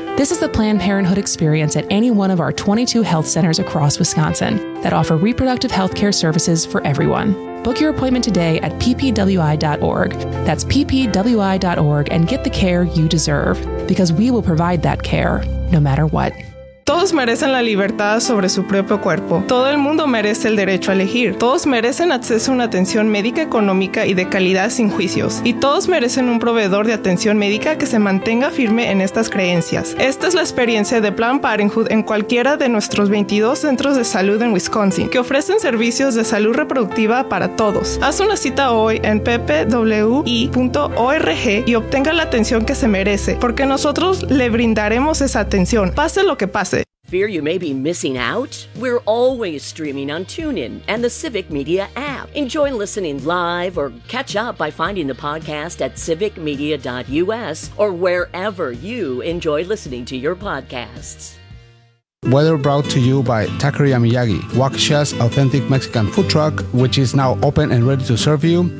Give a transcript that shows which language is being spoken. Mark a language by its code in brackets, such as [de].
[en] This is the Planned Parenthood experience at any one of our 22 health centers across Wisconsin that offer reproductive healthcare services for everyone. Book your appointment today at ppwi.org. That's ppwi.org, and get the care you deserve, because we will provide that care no matter what. [es] Todos merecen la libertad sobre su propio cuerpo. Todo el mundo merece el derecho a elegir. Todos merecen acceso a una atención médica económica y de calidad sin juicios. Y todos merecen un proveedor de atención médica que se mantenga firme en estas creencias. Esta es la experiencia de Planned Parenthood en cualquiera de nuestros 22 centros de salud en Wisconsin, que ofrecen servicios de salud reproductiva para todos. Haz una cita hoy en ppwi.org y obtenga la atención que se merece, porque nosotros le brindaremos esa atención, pase lo que pase. [en] Fear you may be missing out? We're always streaming on TuneIn and the Civic Media app. Enjoy listening live or catch up by finding the podcast at civicmedia.us or wherever you enjoy listening to your podcasts. Weather brought to you by Taqueria Miyagi, Waukesha's authentic Mexican food truck, which is now open and ready to serve you.